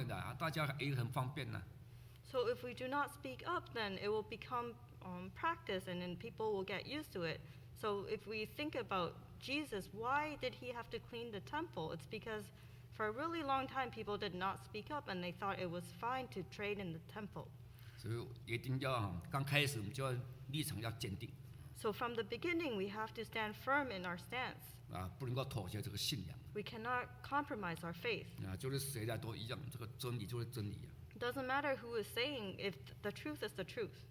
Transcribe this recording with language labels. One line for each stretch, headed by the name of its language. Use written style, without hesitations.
Chinese: 所以我们假如不敢讲的话，你看会导致什么结果呢？会导致就变成习惯了，就变成很自然啊，没关系的。好像当时主要是为什么要去洁净圣殿？因为大家在里头做买卖已经习惯了，在里头做一些交换银钱已经很习惯了的，大家也很方便了。
English: So if we do not speak up, then it will become practice and then people will get used to it. So if we think about Jesus, why did he have to clean the temple? It's because for a really long time people did not speak up and they thought it was fine to trade in the temple.
Chinese: 所以一定要刚开始我们就要立场要坚定。
English: So from the beginning we have to stand firm in our stance.
Chinese: 不能够妥协这个信仰。
English: We cannot compromise our faith.
Chinese: 就是谁来都一样，这个真理就是真理。
English: Doesn't matter who is saying, if the truth is the truth.